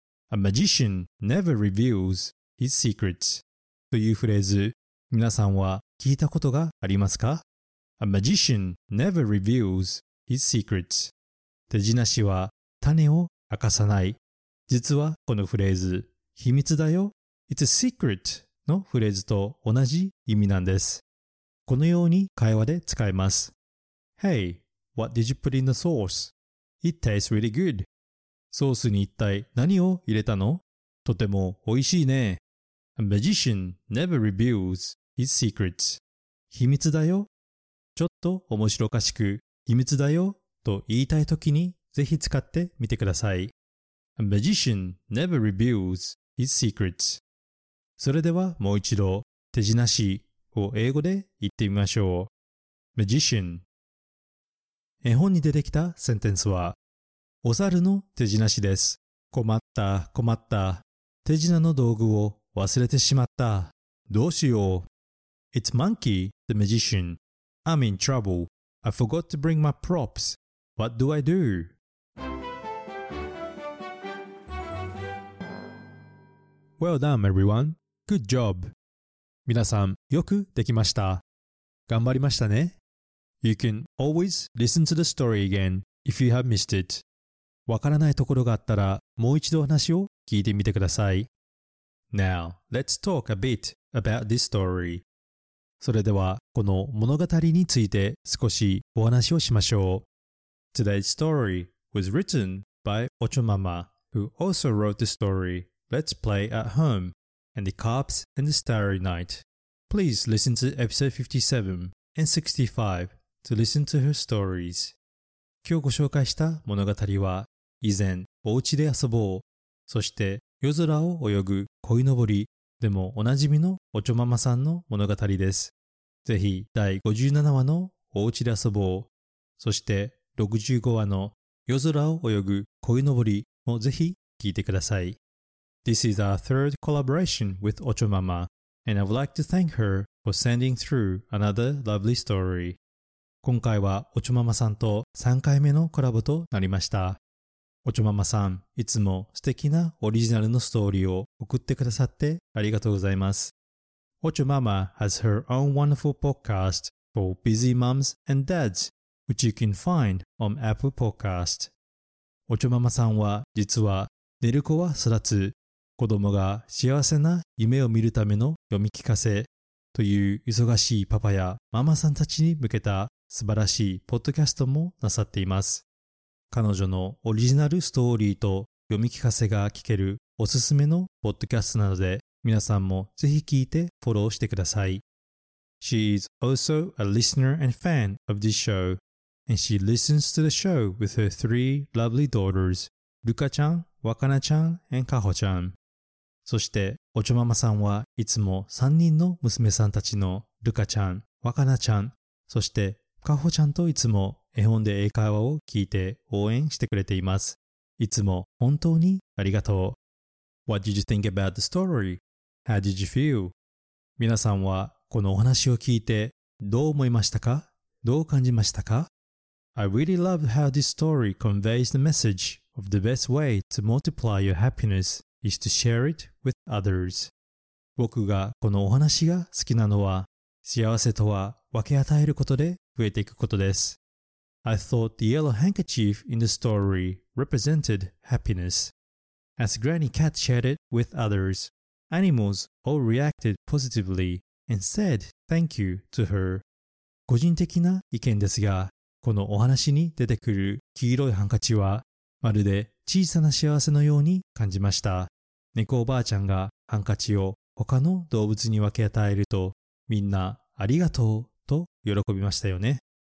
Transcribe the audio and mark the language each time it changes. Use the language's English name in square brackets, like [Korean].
[English] A magician never reveals his secrets [Japanese] というフレーズ、皆さんは聞いたことがありますか [English] ?A magician never reveals his secrets。 [Japanese] 手品師は種を明かさない。実はこのフレーズ、秘密だよ。 [English] It's a secret. [Japanese] のフレーズと同じ意味なんです。このように会話で使えます。 [English] Hey, what did you put in the sauce? It tastes really good. [Japanese] ソースに一体何を入れたの？とても美味しいね。 [English] A magician never reveals his secrets. [Japanese] 秘密だよ。ちょっと面白かしく、秘密だよと言いたいときにぜひ使ってみてください。 [English] A magician never reveals his secrets. [Japanese] それではもう一度、手品師を英語で言ってみましょう。 [English] Magician。 [Japanese] 絵本に出てきたセンテンスは、お猿の手品師です。困った、困った。手品の道具を忘れてしまった。どうしよう。 [English] It's Monkey, the magician. I'm in trouble. I forgot to bring my props. What do I do? Well done, everyone. Good job. [Japanese] 皆さん、よくできました。頑張りましたね。 [English] You can always listen to the story again if you have missed it. [Japanese] わからないところがあったら、もう一度話を聞いてみてください。 [English] Now, let's talk a bit about this story. [Japanese] それでは、この物語について少しお話をしましょう。 [English] Today's story was written by Ocho Mama, who also wrote the story. Let's play at home and the Cops and the Starry Night. Please listen to episode 57 and 65 to listen to her stories. [Japanese] 今日ご紹介した物語は、以前お家で遊ぼう、そして夜空を泳ぐ鯉のぼりでもおなじみのおちょママさんの物語です。ぜひ第57話のお家で遊ぼう、そして65話の夜空を泳ぐ鯉のぼりもぜひ聞いてください。 [English] This is our third collaboration with Ocho Mama, and I would like to thank her for sending through another lovely story. [Japanese] 今回はオチョママさんと3回目のコラボとなりました。オチョママさん、いつも素敵なオリジナルのストーリーを送ってくださってありがとうございます。 [English] オチョママ has her own wonderful podcast for busy moms and dads, which you can find on Apple Podcast. [Japanese] オチョママさんは実は寝る子は育つ。子供が幸せな夢を見るための読み聞かせという忙しいパパやママさんたちに向けた素晴らしいポッドキャストもなさっています。彼女のオリジナルストーリーと読み聞かせが聞けるおすすめのポッドキャストなので、皆さんもぜひ聞いてフォローしてください。 [English] She is also a listener and fan of this show, and she listens to the show with her three lovely daughters, ルカ [Japanese] ちゃん、ワカナちゃん、カホちゃん。そしておちょままさんはいつも3人の娘さんたちのルカちゃん、わかなちゃん、そしてカホちゃんといつも絵本で英会話を聞いて応援してくれています。いつも本当にありがとう。 [English] What did you think about the story? How did you feel? [Japanese] 皆さんはこのお話を聞いてどう思いましたか？どう感じましたか？ [English] I really loved how this story conveys the message of the best way to multiply your happiness is to share it with others. [Japanese] 僕がこのお話が好きなのは、幸せとは分け与えることで増えていくことです。 [English] I thought the yellow handkerchief in the story represented happiness. As Granny Cat shared it with others, animals all reacted positively and said thank you to her. [Japanese] 個人的な意見ですが、このお話に出てくる黄色いハンカチは、まるで小さな幸せのように感じました。猫おばあちゃんがハンカチを他の動物に分け与えると、みんなありがとうと喜びましたよね。